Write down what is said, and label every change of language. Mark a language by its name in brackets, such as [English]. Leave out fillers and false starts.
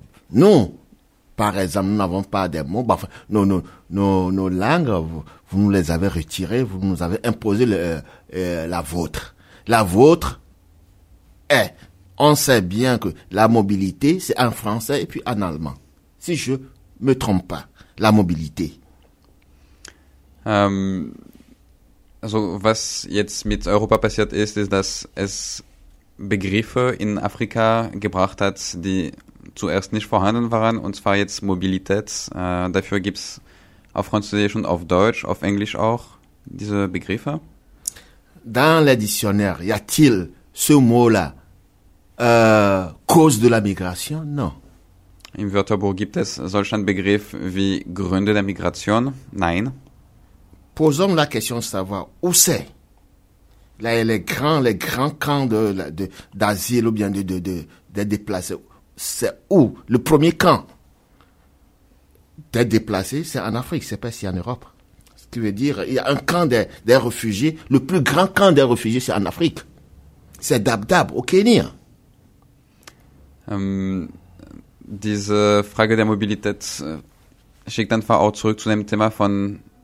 [French] Nous, par exemple, nous n'avons pas des mots. Bah, enfin, nos langues, vous nous les avez retirées, vous nous avez imposé la vôtre. La vôtre est... On sait bien que la mobilité, c'est en français et puis en allemand. Si je ne me trompe pas, la mobilité. [German] Also, was jetzt mit Europa passiert ist, ist, dass es Begriffe in Afrika gebracht hat, die zuerst nicht vorhanden waren, und zwar jetzt Mobilität. Dafür gibt es auf Französisch und auf Deutsch, auf Englisch auch diese Begriffe. [French] Dans les dictionnaires, y a-t-il ce mot-là? Cause de la migration? Non. [German] Im Wörterbuch gibt es solch einen Begriff wie Gründe der Migration? Nein. [French] Posons la question de savoir où c'est les grands camps d'asile ou bien de déplacés. C'est où? Le premier camp des déplacés, c'est en Afrique, c'est pas ici en Europe. Ce qui veut dire, il y a un camp des réfugiés, le plus grand camp des réfugiés, c'est en Afrique. C'est Dadaab au Kenya. [German] Diese Frage der Mobilität schickt einfach auch zurück zu dem Thema von